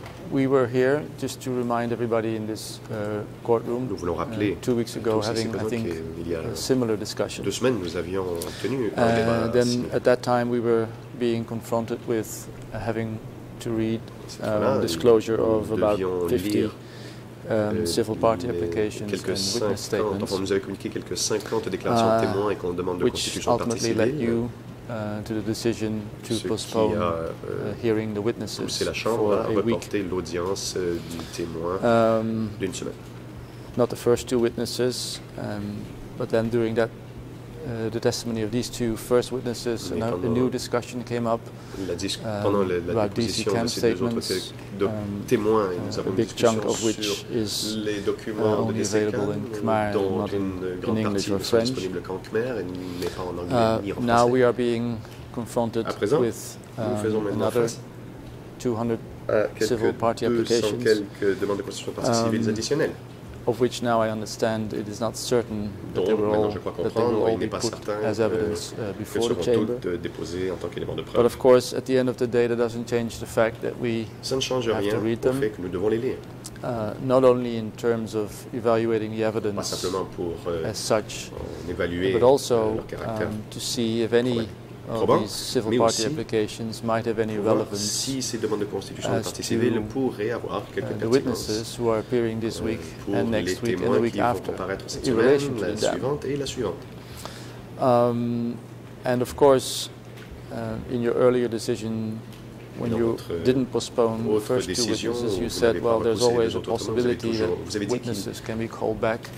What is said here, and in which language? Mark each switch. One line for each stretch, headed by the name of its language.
English: We were here just to remind everybody in this courtroom 2 weeks ago, having, I think, a similar discussion.
French: Deux semaines, nous avions tenu un débat
English: then similar. At that time, we were being confronted with having to read disclosure of about 50 civil party applications and witness statements,
French: enfin, nous avait communiqué quelques 50 déclarations de témoins et qu'on demande de constitution de partie civile.
English: To the decision to postpone hearing the witnesses.
French: Pousser la chambre à reporter l'audience du témoin d'une semaine.
English: Not the first two witnesses, but then during that, the testimony of these two first witnesses, a new discussion came up.
French: Pendant la déposition de ces deux autres témoins, nous avons une discussion sur les documents de DC CAN, Khmer, dont une grande partie ne sont disponibles qu'en Khmer et n'est pas en anglais ni en français.
English: Now we are being confronted
French: à présent,
English: with,
French: nous faisons maintenant face
English: 200 civil party applications,
French: quelques demandes de constitution de partis civils additionnels.
English: Of which now I understand it is not certain that they were all, that they will all be put as evidence before the chamber. But of course, at the end of the day, that doesn't change the fact that we have to read them. Not only in terms of evaluating the evidence as such, but also to see if any these civil party applications might have any relevance
French: si ces demandes de constitution de partie civile pourraient avoir quelque
English: the witnesses who are appearing this week and next week and the week after in relation to the
French: suivante et la suivante.
English: And of course, in your earlier decision, when you didn't postpone the first two witnesses, you said, well, there's always a possibility that witnesses can be called back